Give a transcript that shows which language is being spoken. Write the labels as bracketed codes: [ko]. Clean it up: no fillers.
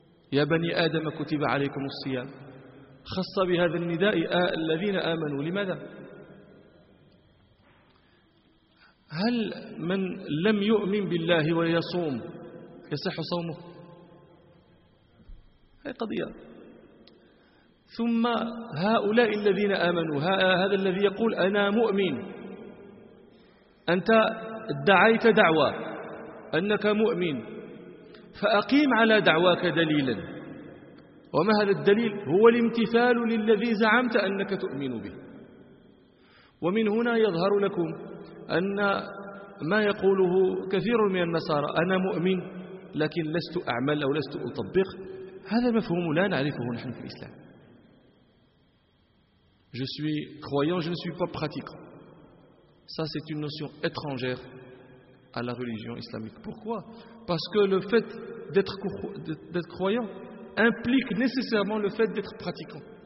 [ar] Ya bani adam kutiba alaykum siyam. Khassa bi hadha an-nida'i alladhina amanu limadha? Hal man lam yu'min billahi wa yasum يصح صومه؟ هذه قضية. ثم هؤلاء الذين آمنوا، هذا الذي يقول أنا مؤمن، أنت دعيت دعوة أنك مؤمن، فأقيم على دعواك دليلا. وما هذا الدليل؟ هو الامتثال للذي زعمت أنك تؤمن به. ومن هنا يظهر لكم أن ما يقوله كثير من النصارى أنا مؤمن لكن لست أعمل أو لست أطبق، هذا مفهوم لا نعرفه نحن في الإسلام. [fr] Je suis croyant, je ne suis pas pratiquant. Ça, c'est une notion étrangère à la religion islamique. Pourquoi? Parce que le fait d'être croyant implique nécessairement le fait d'être pratiquant.